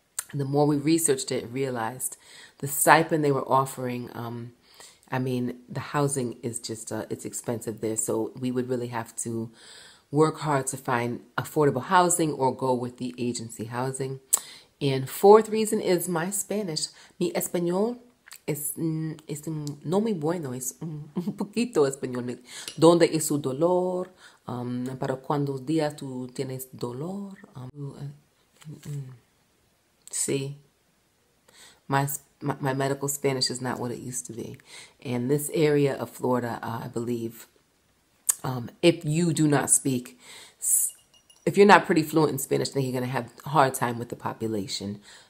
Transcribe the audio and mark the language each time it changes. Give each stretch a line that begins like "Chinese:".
English: And the more we researched it, realized the stipend they were offering, I mean, the housing is just, it's expensive there. So we would really have to work hard to find affordable housing or go with the agency housing. And fourth reason is my Spanish.
Spanish: Mi español es no muy bueno. Es un poquito español. ¿Dónde es su dolor? ¿Para cuántos días tú tienes dolor?
English: See? My medical Spanish is not what it used to be. And this area of Florida, I believe, if you do not speak, if you're not pretty fluent in Spanish, then you're going to have a hard time with the population.